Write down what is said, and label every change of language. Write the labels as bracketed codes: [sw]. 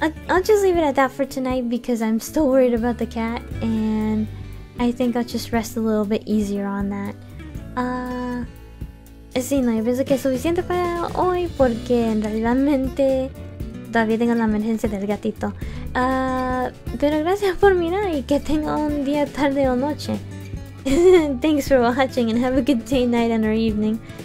[en] I'll just leave it at that for tonight because I'm still worried about the cat and I think I'll just rest a little bit easier on that. [es] Sí, no, yo pienso que es suficiente para hoy porque en realidad todavía tengo la emergencia del gatito. Pero gracias por mirar y que tenga un día tarde o noche. [en] Thanks for watching and have a good day, night, and or evening.